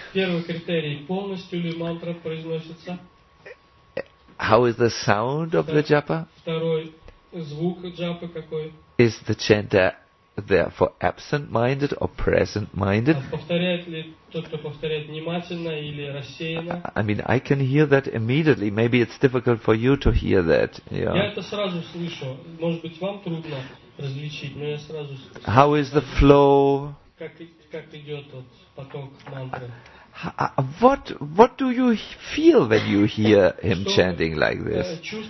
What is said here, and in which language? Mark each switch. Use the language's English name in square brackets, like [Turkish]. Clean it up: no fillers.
[Russian] Первый критерий полностью ли мантра произносится? [English] How is the sound of the japa? [Russian] Второй звук джапы какой? [English] Is the chanter therefore absent-minded or present-minded? [Russian] Повторяет ли тот, кто повторяет внимательно или рассеянно? [English] I mean, I can hear that immediately. Maybe it's difficult for you to hear that. Yeah. [Russian] Я это сразу слышу. Может быть, вам трудно различить, но я сразу слышу. [English] How is the flow? [Russian] Как идет вот поток мантры? [English] What do you feel when you hear him chanting like this?